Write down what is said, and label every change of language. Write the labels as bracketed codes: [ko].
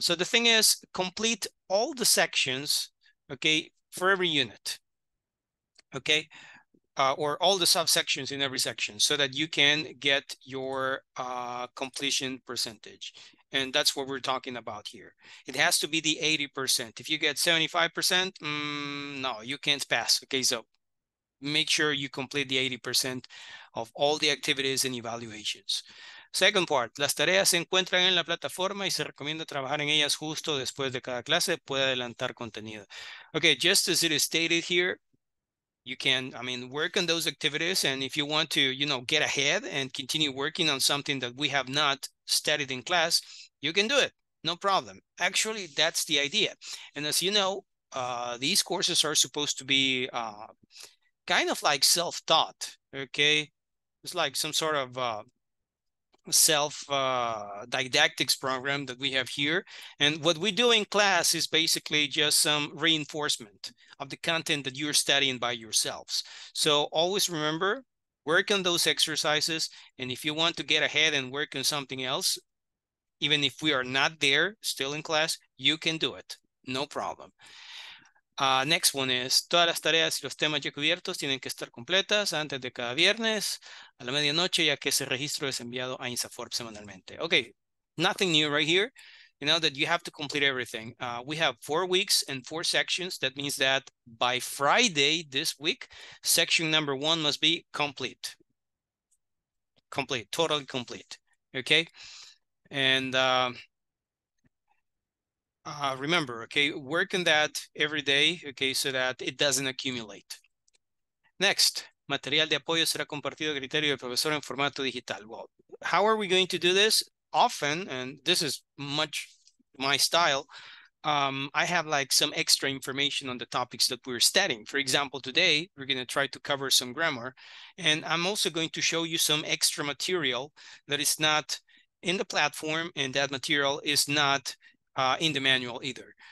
[en] So the thing is, complete all the sections, okay, for every unit, okay, or all the subsections in every section so that you can get your completion percentage. And that's what we're talking about here. It has to be the 80%. If you get 75%, no, you can't pass. Okay, so make sure you complete the 80% of all the activities and evaluations. Second part, [es] las tareas se encuentran en la plataforma y se recomienda trabajar en ellas justo después de cada clase. Puede adelantar contenido. [en] Okay, just as it is stated here, you can, I mean, work on those activities. And if you want to, you know, get ahead and continue working on something that we have not studied in class, you can do it. No problem. Actually, that's the idea. And as you know, these courses are supposed to be kind of like self-taught, okay? It's like some sort of self-didactics program that we have here. And what we do in class is basically just some reinforcement of the content that you're studying by yourselves. So always remember, work on those exercises. And if you want to get ahead and work on something else, even if we are not there still in class, you can do it. No problem. Next one is, [es] todas las tareas y los temas ya cubiertos tienen que estar completas antes de cada viernes a la medianoche, ya que ese registro es enviado a INSAFORP semanalmente. [en] Okay, nothing new right here. You know that you have to complete everything. We have 4 weeks and four sections. That means that by Friday this week, section number one must be complete. Complete, totally complete. Okay? And remember, okay, work on that every day, okay, so that it doesn't accumulate. [es] Next, material de apoyo será compartido a criterio del profesor en formato digital. [en] Well, how are we going to do this? Often, and this is much my style, I have like some extra information on the topics that we're studying. For example, today, we're going to try to cover some grammar, and I'm also going to show you some extra material that is not in the platform, and that material is not in the manual either.